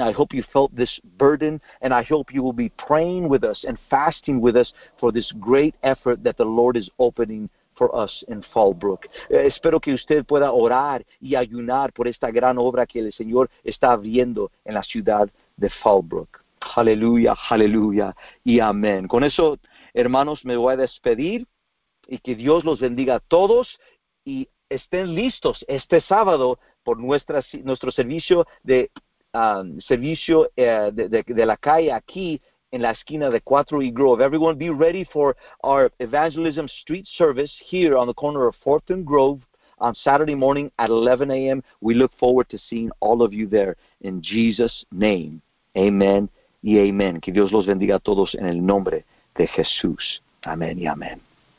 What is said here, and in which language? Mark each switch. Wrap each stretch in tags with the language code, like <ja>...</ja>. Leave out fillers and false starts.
<en>I hope you felt this burden, and I hope you will be praying with us and fasting with us for this great effort that the Lord is opening for us in Fallbrook.</en> <es>Espero que usted pueda orar y ayunar por esta gran obra que el Señor está abriendo en la ciudad de Fallbrook. Hallelujah, hallelujah, y amén. Con eso, hermanos, me voy a despedir y que Dios los bendiga a todos y estén listos este sábado por nuestro servicio de la calle aquí en la esquina de 4 y Grove.</es> <en>Everyone, be ready for our evangelism street service here on the corner of 4th and Grove on Saturday morning at 11 a.m. We look forward to seeing all of you there. In Jesus' name,</en> <es>amen y amen. Que Dios los bendiga a todos en el nombre de Jesús. Amén y amén.</es>